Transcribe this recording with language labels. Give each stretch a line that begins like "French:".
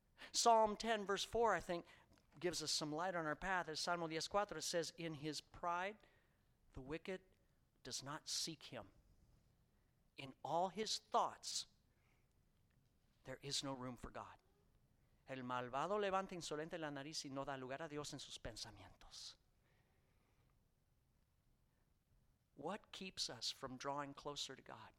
English: Psalm 10, verse 4, I think, gives us some light on our path. As Salmo 10, 4, it says, in his pride, the wicked does not seek him. In all his thoughts, there is no room for God.
Spanish: El malvado levanta insolente la nariz y no da lugar a Dios en sus pensamientos.
English: What keeps us from drawing closer to God?